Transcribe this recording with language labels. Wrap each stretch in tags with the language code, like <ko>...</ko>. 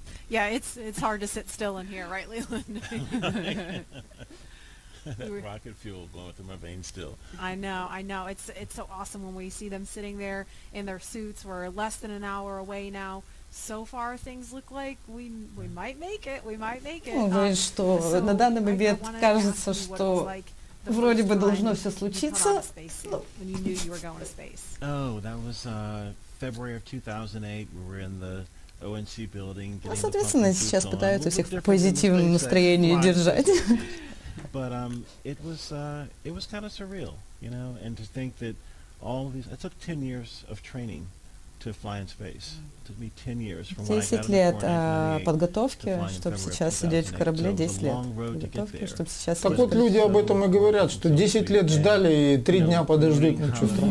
<en>Yeah, it's hard to sit still in here, right, Leland? That rocket fuel glowing through my veins still. I know. It's so awesome when we see them sitting there in their suits. We're less than an hour away now So far, things look like we might make it. We might make it.</en> <ru>Говорит, что на данный момент кажется, что вроде бы должно все случиться.</ru> <en>When you knew you were going to space. Oh, that was February of 2008. We were in the ONC building.</en> <ru>А соответственно, сейчас пытаются всех в позитивном настроении держать.</ru> <en>But it was kind of surreal, you know, and to think that all of these it took 10 years of training. To fly in space. It took me 10 years from when I got on the</en> <ru>подготовки, чтобы сейчас сидеть в корабле 10 лет. Подготовки, чтобы сейчас. Так вот люди об этом и говорят, что 10 лет ждали и 3 дня подождут, ничего страшного.</ru>